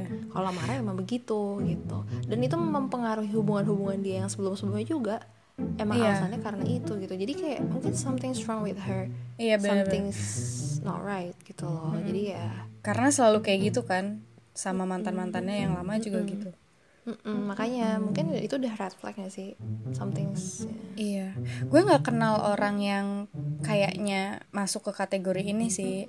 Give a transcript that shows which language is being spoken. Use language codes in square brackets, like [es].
[id] Kalau marah emang begitu gitu, dan itu mempengaruhi hubungan-hubungan dia yang sebelum-sebelumnya juga. Emang alasannya karena itu gitu. Jadi kayak mungkin [en] something's wrong with her. [id] Iya, bener-bener. [en] Something's not right [id] gitu loh. Jadi ya, karena selalu kayak gitu kan sama mantan-mantannya yang lama juga gitu. Makanya mungkin itu udah red flagnya sih, [en] something's [id] Iya. Gue gak kenal orang yang kayaknya masuk ke kategori ini sih.